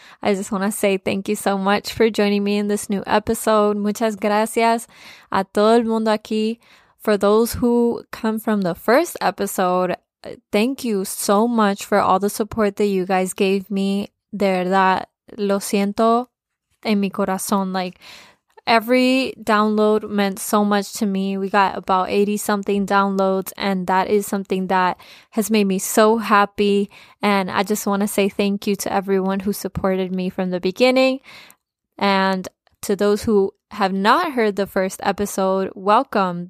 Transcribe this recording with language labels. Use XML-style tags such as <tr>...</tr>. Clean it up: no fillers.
<en>I just want to say thank you so much for joining me in this new episode.</en> <es>Muchas gracias a todo el mundo aquí.</es> <en>For those who come from the first episode, thank you so much for all the support that you guys gave me.</en> <es>De verdad, lo siento en mi corazón.</es> <en>Like, every download meant so much to me. We got about 80 something downloads, and that is something that has made me so happy. And I just want to say thank you to everyone who supported me from the beginning. And to those who have not heard the first episode, welcome.</en>